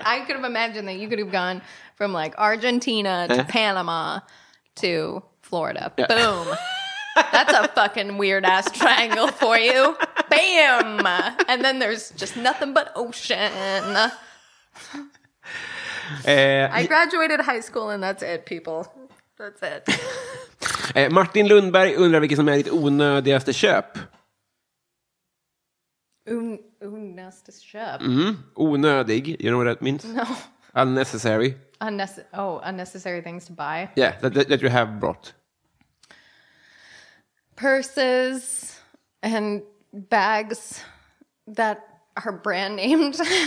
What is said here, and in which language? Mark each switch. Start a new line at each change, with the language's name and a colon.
English: I could have imagined that you could have gone from like Argentina to Panama to Florida. Yeah. Boom. That's a fucking weird-ass triangle for you. Bam! And then there's just nothing but ocean. I graduated high school and that's it, people. That's it.
Swedish: Martin Lundberg undrar vilket som är ditt onödigaste köp. Onödigaste köp? Mm, onödig.
English: You know what that means? No. Unnecessary. Unnecessary things to buy. Yeah, that you have brought. Purses and bags that are brand named.